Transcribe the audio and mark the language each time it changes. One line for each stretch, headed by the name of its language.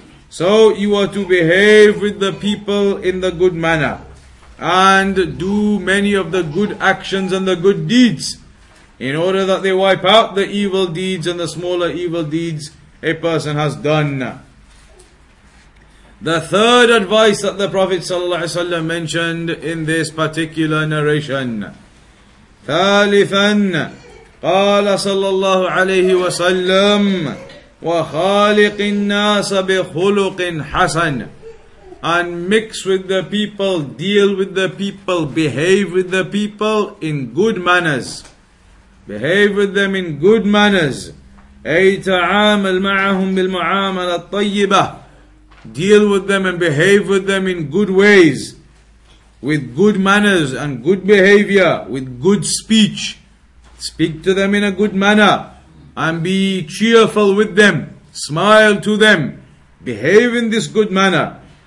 English: So you are to behave with the people in the good manner and do many of the good actions and the good deeds in order that they wipe out the evil deeds and the smaller evil deeds a person has done. The third advice that the Prophet ﷺ mentioned in this particular narration.
Arabic: ثالثاً قال صلى الله عليه وسلم وخالق الناس بخلق حسن.
English: And mix with the people, deal with the people, behave with the people in good manners. Behave with them in good manners.
Arabic: أي تعامل معهم بالمعاملة الطيبة.
English: Deal with them and behave with them in good ways, with good manners and good behavior, with good speech. Speak to them in a good manner and be cheerful with them. Smile to them. Behave in this good manner.